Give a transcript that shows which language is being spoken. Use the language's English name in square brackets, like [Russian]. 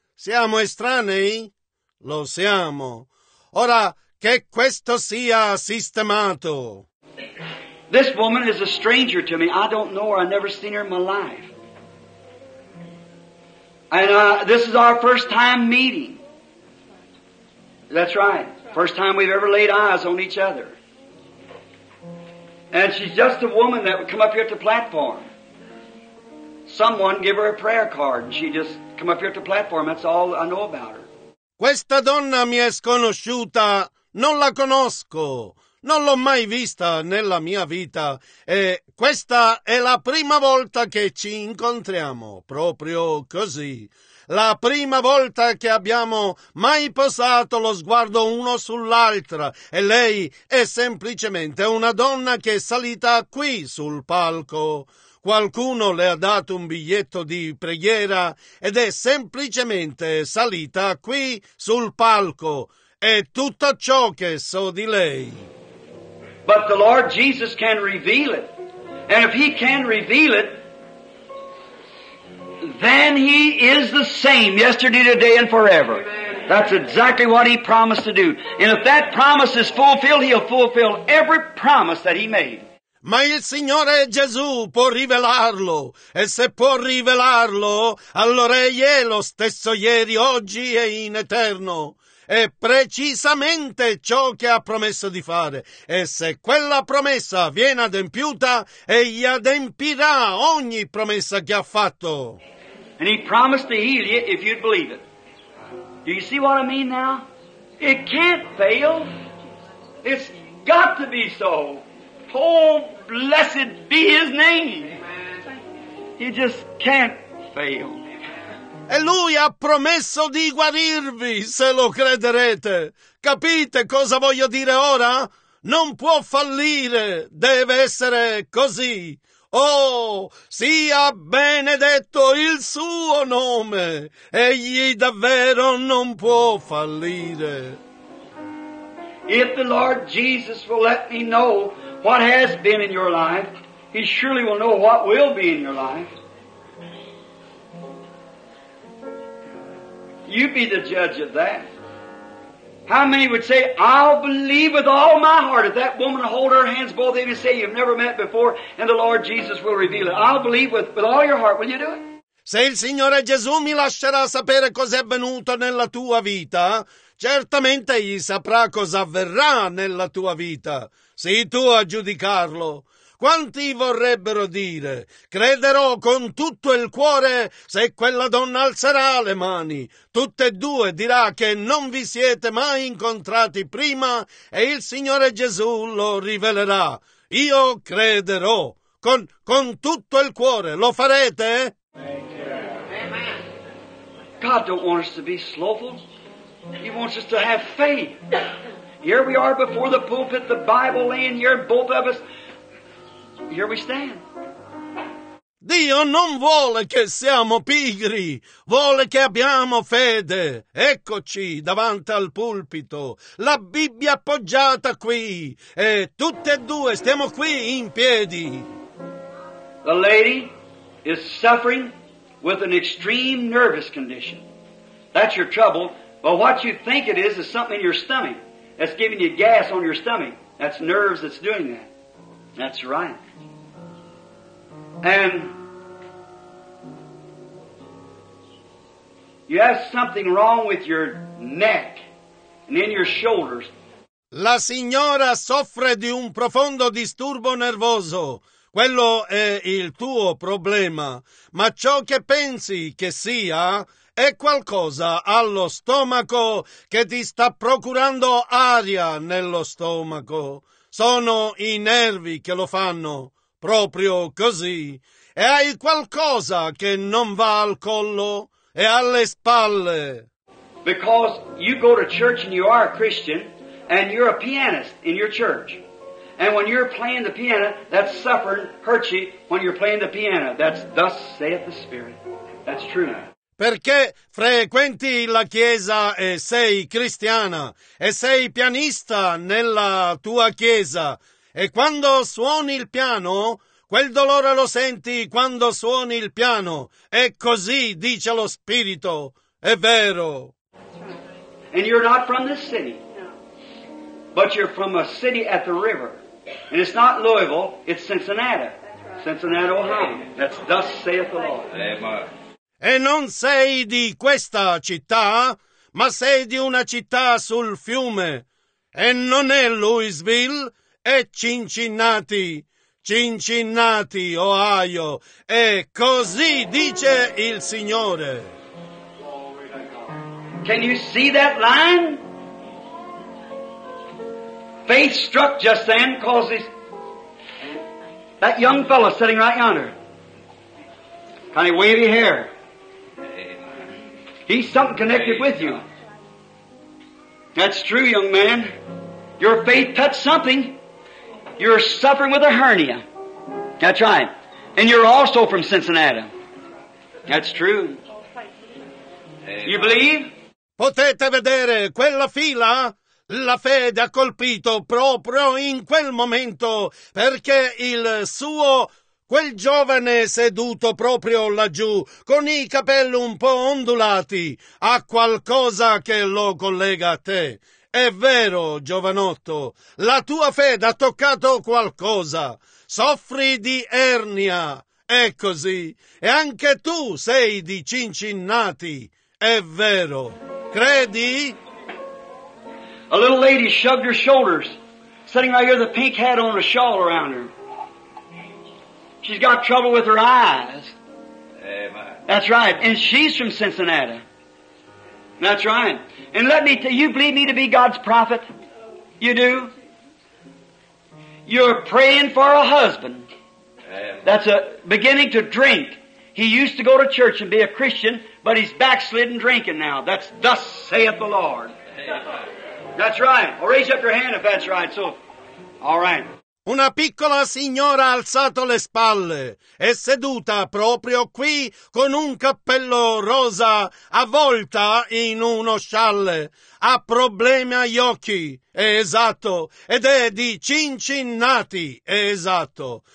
[Italian] Siamo estranei? Lo siamo. Ora, che questo sia sistemato. [English] This woman is a stranger to me. I don't know her. I've never seen her in my life. And this is our first time meeting. That's right. First time we've ever laid eyes on each other. And she's just a woman that would come up here at the platform. Someone give her a prayer card and she just come up here at the platform. That's all I know about her. [Italian] Questa donna mi è sconosciuta. Non la conosco. Non l'ho mai vista nella mia vita. E questa è la prima volta che ci incontriamo, proprio così. La prima volta che abbiamo mai posato lo sguardo uno sull'altra. E lei è semplicemente una donna che è salita qui sul palco. Qualcuno le ha dato un biglietto di preghiera ed è semplicemente salita qui sul palco. è tutto ciò che so di lei. [English] But the Lord Jesus can reveal it. And if he can reveal it, then he is the same yesterday, today, and forever. That's exactly what he promised to do. And if that promise is fulfilled, he'll fulfill every promise that he made. [Italian] Ma il Signore Gesù può rivelarlo, e se può rivelarlo, allora egli è lo stesso ieri, oggi e in eterno. È precisamente ciò che ha promesso di fare, e se quella promessa viene adempiuta, egli adempirà ogni promessa che ha fatto. [English] And he promised to heal you if you'd believe it. Do you see what I mean now? It can't fail. It's got to be so. Oh, blessed be his name. He just can't fail. [Italian] E lui ha promesso di guarirvi, se lo crederete. Capite cosa voglio dire ora? Non può fallire, deve essere così. Oh, sia benedetto il suo nome. Egli davvero non può fallire. [English] If the Lord Jesus will let me know what has been in your life, he surely will know what will be in your life. You be the judge of that. How many would say, I'll believe with all my heart if that woman hold her hands both in and say you've never met before and the Lord Jesus will reveal it. I'll believe with all your heart. Will you do it? [Italian] Se il Signore Gesù mi lascerà sapere cos'è avvenuto nella tua vita, certamente egli saprà cosa avverrà nella tua vita. Sii tu a giudicarlo. Quanti vorrebbero dire, crederò con tutto il cuore se quella donna alzerà le mani. Tutte e due dirà che non vi siete mai incontrati prima e il Signore Gesù lo rivelerà. Io crederò con tutto il cuore. Lo farete? [English] God don't want us to be slothful. He wants us to have faith. Here we are before the pulpit, the Bible laying here, both of us. Here we stand. [Italian] Dio non vuole che siamo pigri, vuole che abbiamo fede. Eccoci davanti al pulpito, la Bibbia appoggiata qui, e tutte e due stiamo qui in piedi. [English] The lady is suffering with an extreme nervous condition. That's your trouble, but what you think it is something in your stomach that's giving you gas on your stomach. That's nerves that's doing that. That's right. And you have something wrong with your neck and in your shoulders. [Italian] La signora soffre di un profondo disturbo nervoso. Quello è il tuo problema. Ma ciò che pensi che sia è qualcosa allo stomaco che ti sta procurando aria nello stomaco. Sono i nervi che lo fanno. Proprio così. E hai qualcosa che non va al collo e alle spalle. [English] Because you go to church and you are a Christian and you're a pianist in your church. And when you're playing the piano, that's suffering, hurts you when you're playing the piano. That's thus saith the Spirit. That's true. [Italian] Perché frequenti la chiesa e sei cristiana e sei pianista nella tua chiesa. E quando suoni il piano, quel dolore lo senti quando suoni il piano. È così, dice lo Spirito. È vero. [English] And you're not from this city. No. But you're from a city at the river. And it's not Louisville, it's Cincinnati. That's right. Cincinnati, Ohio. That's thus saith the Lord. Amen. [Italian] E non sei di questa città, ma sei di una città sul fiume. E non è Louisville. E Cincinnati, Cincinnati, Ohio, e così dice il Signore. [English] Can you see that line? Faith struck just then causes that young fellow sitting right yonder, kind of wavy hair. He's something connected with you. That's true, young man. Your faith touched something. You're suffering with a hernia. That's right. And you're also from Cincinnati. That's true. You believe? [Italian] Potete vedere quella fila? La fede ha colpito proprio in quel momento, perché il suo, quel giovane seduto proprio laggiù, con i capelli un po' ondulati, ha qualcosa che lo collega a te. È vero, giovanotto, la tua fede ha toccato qualcosa. Soffri di ernia, è così. E anche tu sei di Cincinnati, è vero. Credi? [English] A little lady shrugged her shoulders, sitting right here with a pink hat on, a shawl around her. She's got trouble with her eyes. Amen. That's right. And she's from Cincinnati. That's right. And let me tell you, believe me to be God's prophet? You do? You're praying for a husband. Amen. That's a beginning to drink. He used to go to church and be a Christian, but he's backslidden drinking now. That's thus saith the Lord. Amen. That's right. Well, raise up your hand if that's right. So, all right. [Italian] Una piccola signora ha alzato le spalle, è seduta proprio qui con un cappello rosa avvolta in uno scialle. Ha problemi agli occhi, è esatto, ed è di Cincinnati, è esatto.